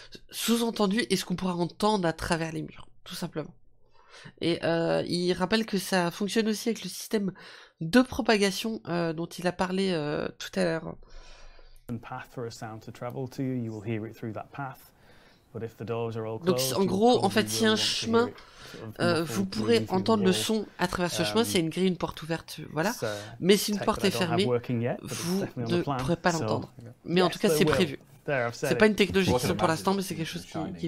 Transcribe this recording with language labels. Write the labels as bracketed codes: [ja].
[fr] Sous-entendu, est-ce qu'on pourra entendre à travers les murs, tout simplement. Et il rappelle que ça fonctionne aussi avec le système de propagation dont il a parlé tout à l'heure. [en] Path for a sound to travel to, you will hear it through that path. But if the doors are all closed, [fr] donc en gros, en fait, s'il y a un chemin, vous pourrez entendre le son à travers ce chemin, s'il y a une grille, une porte ouverte, voilà. Mais si une porte est fermée, vous ne pourrez pas l'entendre. Mais en tout cas, c'est prévu. C'est pas une technologie qui sort pour l'instant, mais c'est quelque chose qui